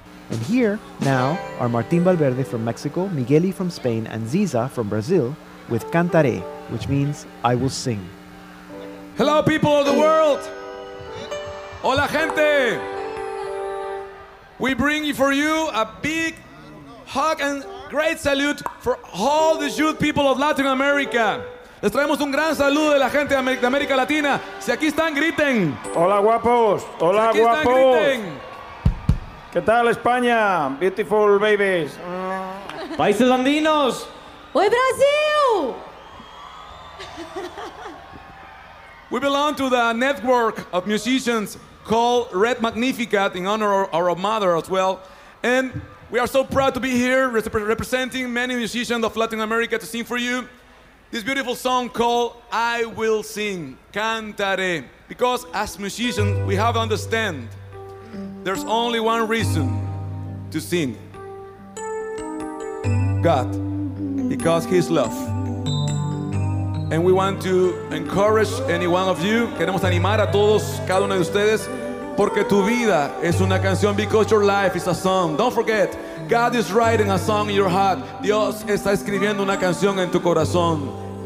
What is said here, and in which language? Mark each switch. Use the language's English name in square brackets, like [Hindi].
[English] And here, now, are Martin Valverde from Mexico, Migueli from Spain, and Ziza from Brazil with Cantaré, which means I will sing. Hello, people of the world. [Spanish] Hola, gente. [English] We bring for you a big hug and great salute for all the youth people of Latin America. [Spanish] Les traemos un gran saludo de la gente de América Latina. Si aquí están, griten. Hola, guapos. Hola, si aquí guapos. Están, griten. ¿Qué tal, España? [English] Beautiful babies. [Spanish] Países andinos. ¡Oye, Brasil! [English] We belong to the network of musicians called Red Magnificat in honor of our mother as well. And we are so proud to be here representing many musicians of Latin America to sing for you this beautiful song called I Will Sing, Cantaré. Because as musicians, we have to understand there's only one reason to sing. God, because His love. And we want to encourage any one of you, [Spanish] queremos animar a todos, cada uno de ustedes, porque tu vida es una canción, [English] because your life is a song. Don't forget, God is writing a song in your heart. [Spanish] Dios está escribiendo una canción en tu corazón.